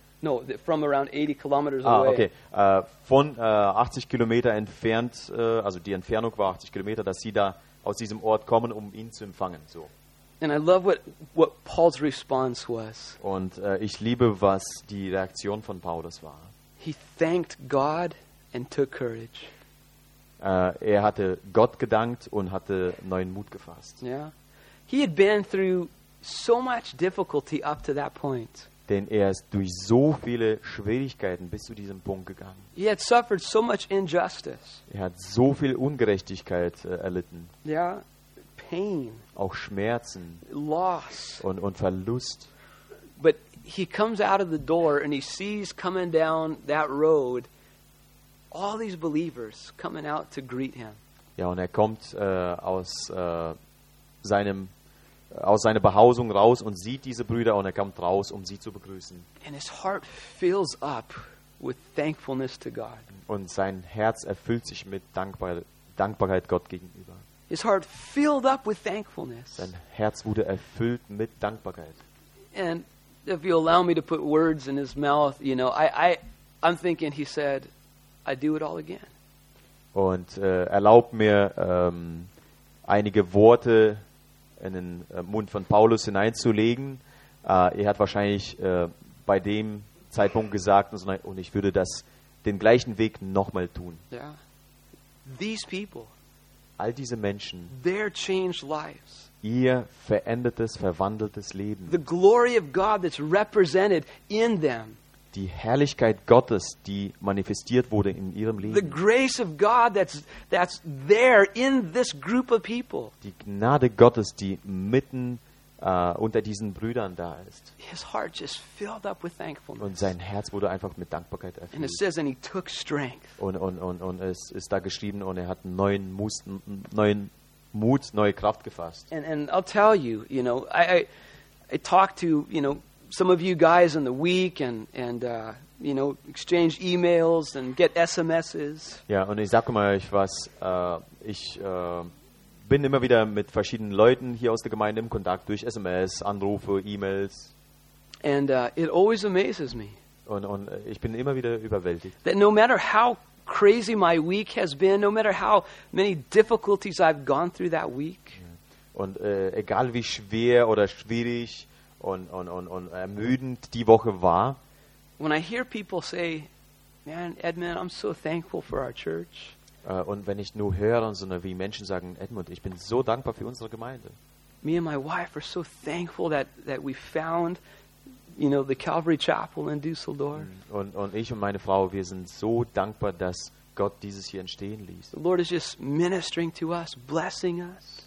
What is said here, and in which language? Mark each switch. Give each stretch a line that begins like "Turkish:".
English: No, from around 80 kilometers away. Ah, okay.
German: Von 80 Kilometer entfernt, also die Entfernung war 80 Kilometer, dass sie da aus diesem Ort kommen, um ihn zu empfangen.
English: So. And I love what Paul's response was.
German: Und ich liebe, was die Reaktion von Paulus war.
English: He thanked God and took courage.
German: Er hatte Gott gedankt und hatte neuen Mut gefasst.
English: Yeah. He had been through so much difficulty up to that point.
German: Denn er ist durch so viele Schwierigkeiten bis zu diesem Punkt gegangen.
English: He had suffered so much injustice.
German: Er hat so viel Ungerechtigkeit erlitten.
English: Yeah. Pain.
German: Auch Schmerzen.
English: Loss.
German: Und Verlust.
English: But he comes out of the door and he sees coming down that road all these believers coming out to greet him.
German: Ja, und er kommt aus seiner Behausung raus und sieht diese Brüder, und er kommt raus, um sie zu begrüßen.
English: And his heart fills up with thankfulness to God.
German: Und sein Herz erfüllt sich mit Dankbarkeit Gott gegenüber.
English: His heart filled up with thankfulness.
German: Sein Herz wurde erfüllt mit Dankbarkeit.
English: And if you allow me to put words in his mouth, you know, I'm thinking he said, I do it all again.
German: Und erlaub mir einige Worte in den Mund von Paulus hineinzulegen. Er hat wahrscheinlich bei dem Zeitpunkt gesagt, und ich würde das den gleichen Weg nochmal tun.
English: Yeah. These people,
German: all diese Menschen,
English: their changed lives,
German: ihr verändertes, verwandeltes Leben,
English: the glory of God that's represented in them,
German: die Herrlichkeit Gottes, die manifestiert wurde in ihrem Leben,
English: the grace of God that's there in this group of people,
German: die Gnade Gottes, die mitten unter diesen Brüdern da ist.
English: His heart just filled up with thankfulness.
German: Und sein Herz wurde einfach mit Dankbarkeit erfüllt.
English: And it says, and he took strength.
German: Und es ist da geschrieben, und er hat neuen Mut, neue Kraft gefasst.
English: And I'll tell you, you know, I talked to, you know, some of you guys in the week and exchange emails and get SMSs.
German: Ja, und ich sag mal euch was, ich bin immer wieder mit verschiedenen Leuten hier aus der Gemeinde im Kontakt durch SMS, Anrufe, E-Mails.
English: And it always amazes me.
German: Und ich bin immer wieder überwältigt.
English: That no matter how crazy my week has been, no matter how many difficulties I've gone through that week.
German: Und egal wie schwer oder schwierig und ermüdend die Woche war.
English: When I hear people say, "Man, Edmund, I'm so thankful for our church."
German: Und wenn ich nur höre, sondern wie Menschen sagen, Edmund, ich bin so dankbar für unsere Gemeinde.
English: Me and my wife are so thankful that we found, you know, the Calvary Chapel in Düsseldorf.
German: Und ich und meine Frau, wir sind so dankbar, dass Gott dieses hier entstehen ließ.
English: The Lord is just ministering to us, blessing us.